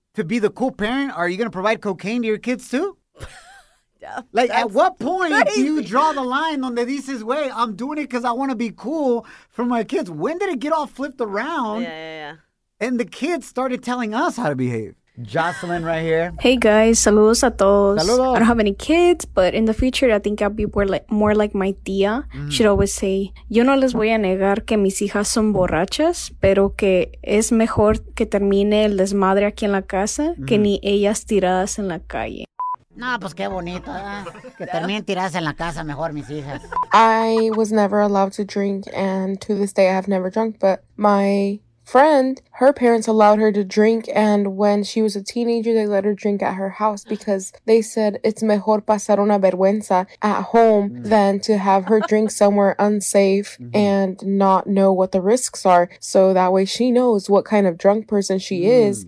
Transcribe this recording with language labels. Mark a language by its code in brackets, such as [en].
[en] To be the cool parent, are you going to provide cocaine to your kids, too? Like, at what point do you draw the line on the dices, wait, I'm doing it because I want to be cool for my kids? When did it get all flipped around? Yeah. And the kids started telling us how to behave. Jocelyn right here. Hey guys, [es] saludos a todos. Saludos. [en] I don't have any kids, but in the future, I think I'll be more like my tía. Mm. She'd always say, [es] yo no les voy a negar que mis hijas son borrachas, pero que es mejor que termine el desmadre aquí en la casa que ni ellas tiradas en la calle. No, pues qué bonito, ¿eh? Que terminen tiradas en la casa mejor mis hijas. [en] I was never allowed to drink, and to this day, I have never drunk, but my... friend, her parents allowed her to drink, and when she was a teenager, they let her drink at her house because they said it's [es] mejor pasar una vergüenza [en] at home than to have her drink somewhere unsafe and not know what the risks are, so that way she knows what kind of drunk person she is.